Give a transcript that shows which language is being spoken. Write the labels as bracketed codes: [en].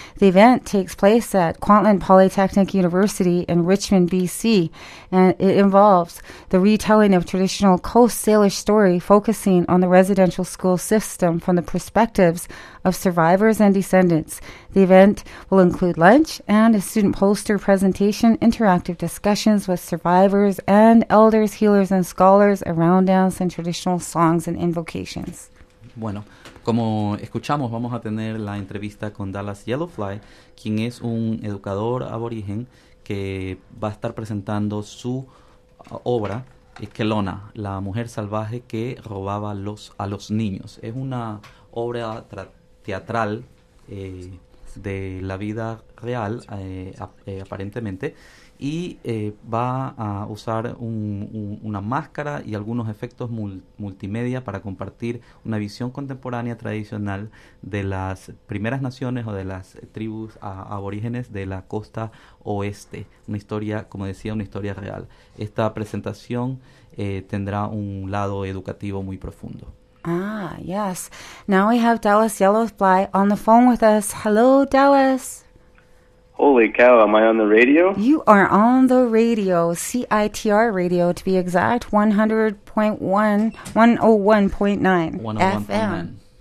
[en] The event takes place at Kwantlen Polytechnic University in Richmond, BC, and it involves the retelling of traditional Coast Salish stories, focusing on the residential school system from the perspectives of survivors and descendants. The event will include lunch and a student poster presentation, interactive discussions with survivors and elders, healers, and scholars around dance and traditional songs and invocations. [es] Bueno, como escuchamos, vamos a tener la entrevista con Dallas Yellowfly, quien es un educador aborigen que va a estar presentando su obra Kelona, la mujer salvaje que robaba a los niños. Es una obra teatral de la vida real, aparentemente, y va a usar una máscara y algunos efectos multimedia para compartir una visión contemporánea tradicional de las Primeras Naciones o de las tribus aborígenes de la costa oeste. Una historia, como decía, una historia real. Esta presentación tendrá un lado educativo muy profundo. [en] Ah, yes. Now we have Dallas Yellowfly on the phone with us. Hello, Dallas. Holy cow, am I on the radio? You are on the radio, CITR radio to be exact, 101.9 FM.